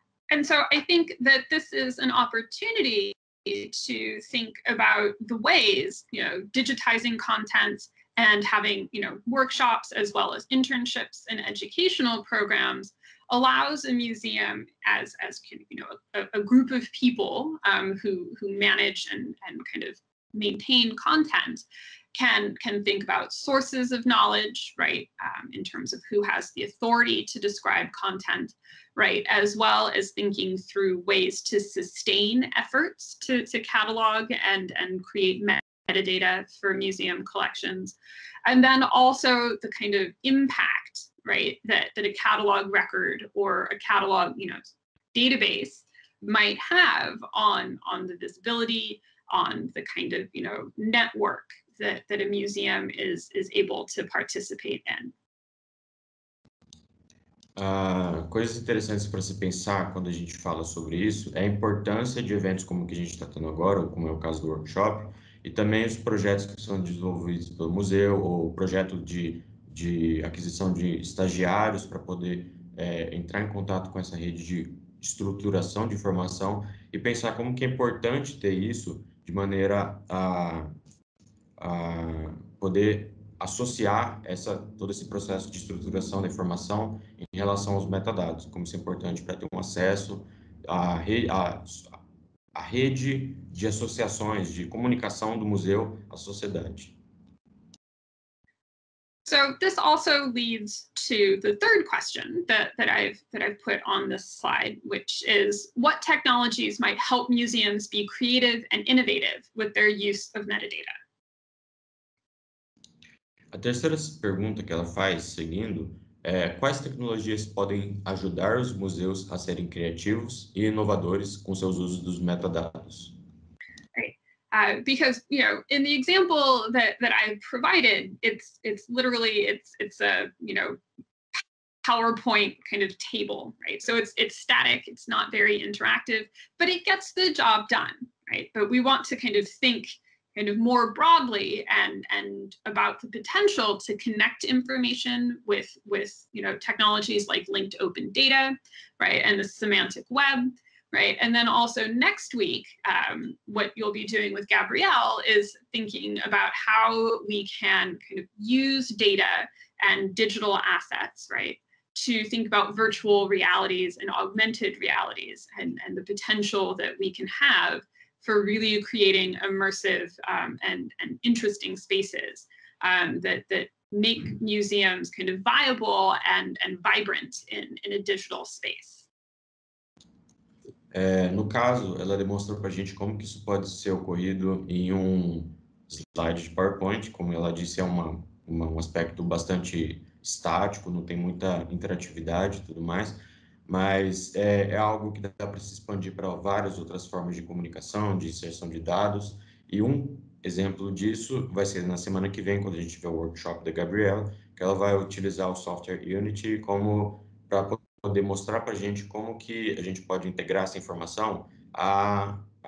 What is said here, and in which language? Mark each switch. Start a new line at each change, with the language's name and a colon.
English: And so I think that this is an opportunity to think about the ways, you know, digitizing content and having, you know, workshops as well as internships and educational programs allows a museum as you know, a group of people who manage and kind of maintain content can think about sources of knowledge, right, in terms of who has the authority to describe content, right, as well as thinking through ways to sustain efforts to catalog and create metadata for museum collections. And then also the kind of impact, right, that a catalog record or a catalog, you know, database might have on the visibility, on the kind of, you know, network that a museum is able to participate in.
Portuguese: Coisas interessantes para se pensar quando a gente fala sobre isso é a importância de eventos como o que a gente está tendo agora, ou como é o caso do workshop, e também os projetos que são desenvolvidos pelo museu, ou o projeto de aquisição de estagiários para poder entrar em contato com essa rede de estruturação de informação, e pensar como que é importante ter isso de maneira a poder associar todo esse processo de estruturação da informação em relação aos metadados, como isso é importante para ter um acesso à rede de associações, de comunicação do museu à sociedade.
English: So this also leads to the third question that I've put on this slide, which is what technologies might help museums be creative and innovative with their use of metadata?
Portuguese: A terceira pergunta que ela faz, seguindo, Quais tecnologias podem ajudar os museus a serem criativos e inovadores com seus usos dos metadados?
English: Because, you know, in the example that I've provided, it's literally, it's a, you know, PowerPoint kind of table, right? So it's static, it's not very interactive, but it gets the job done, right? But we want to kind of think kind of more broadly and about the potential to connect information with, you know, technologies like linked open data, right? And the semantic web. Right. And then also next week, what you'll be doing with Gabrielle is thinking about how we can kind of use data and digital assets, right, to think about virtual realities and augmented realities and the potential that we can have for really creating immersive and interesting spaces that make museums kind of viable and vibrant in a digital space.
Portuguese: No caso, ela demonstrou para a gente como que isso pode ser ocorrido em um slide de PowerPoint. Como ela disse, é um aspecto bastante estático, não tem muita interatividade e tudo mais, mas é algo que dá para se expandir para várias outras formas de comunicação, de inserção de dados, e um exemplo disso vai ser na semana que vem, quando a gente tiver o workshop da Gabrielle, que ela vai utilizar o software Unity como para poder mostrar para a gente como que a gente pode integrar essa informação à